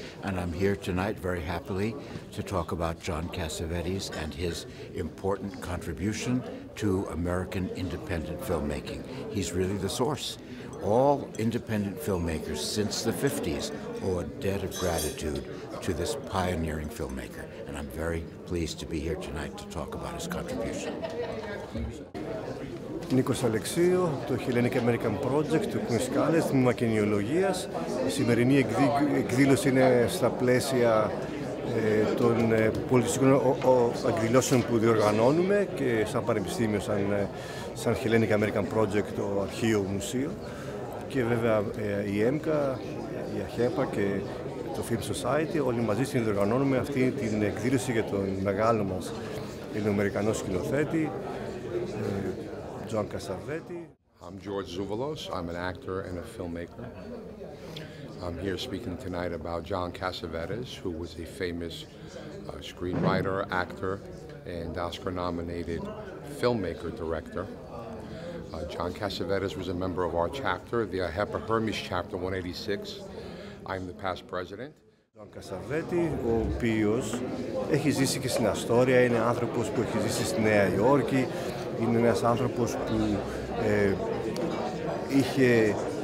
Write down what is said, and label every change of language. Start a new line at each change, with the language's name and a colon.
English: And I'm here tonight very happily to talk about John Cassavetes and his important contribution to American independent filmmaking. He's really the source. All independent filmmakers since the 50s owe a debt of gratitude to this pioneering filmmaker. And I'm very pleased to be here tonight to talk about his contribution.
Greek: Νίκος Αλεξίου, το Hellenic American Project του Queen's College, Τμήμα Κοινωνιολογίας. Η σημερινή εκδήλωση είναι στα πλαίσια των πολιτιστικών εκδηλώσεων που διοργανώνουμε και σαν πανεπιστήμιο, σαν Hellenic American Project, το αρχείο, μουσείο. Και βέβαια η Embca, η AHEPA και το Film Society, όλοι μαζί συνδιοργανώνουμε αυτή την εκδήλωση για τον μεγάλο μας Ελληνοαμερικανό σκηνοθέτη, John Cassavetes.
English: I'm George Zouvalos. I'm an actor and a filmmaker. I'm here speaking tonight about John Cassavetes, who was a famous screenwriter, actor, and Oscar-nominated filmmaker, director. John Cassavetes was a member of our chapter, the AHEPA Hermes chapter 186. I'm the past president.
Greek: John Cassavetes, ο οποίος έχει ζήσει και στην Αστόρια, είναι άνθρωπος που έχει ζήσει στη Νέα Υόρκη, είναι ένας άνθρωπος που είχε